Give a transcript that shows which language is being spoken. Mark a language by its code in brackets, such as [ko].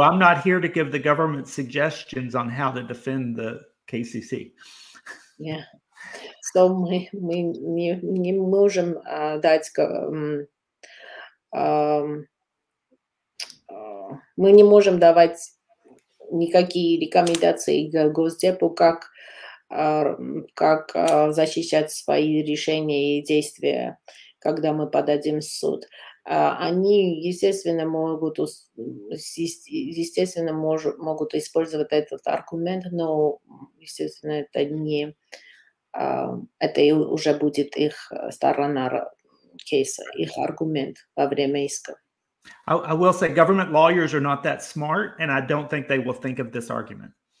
[en] I'm not here to give the government suggestions on how to defend the KCC. Yeah. [ru] So мы не можем дать мы не можем давать никакие рекомендации Госдепу, как защищать свои решения и действия когда мы подадим в суд. Они, естественно, могут, естественно, могут использовать этот аргумент, но, естественно, это не... Это уже будет их сторона кейса, их аргумент во время иска. [en] I will say government lawyers are not that smart, and I don't think they will think of this argument.